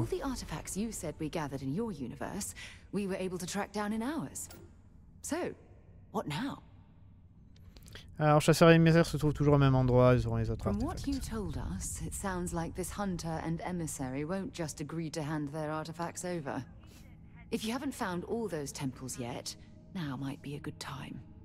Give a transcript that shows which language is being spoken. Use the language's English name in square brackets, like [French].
[English] All the artifacts you said we gathered in your universe, we were able to track down in ours. So, what now? [French] Alors, chasseur et émissaire se trouvent toujours au même endroit, ils auront les autres [English] artefacts. From what you told us, it sounds like this hunter and emissary won't just agree to hand their artifacts over. If you haven't found all those temples yet, now might be a good time.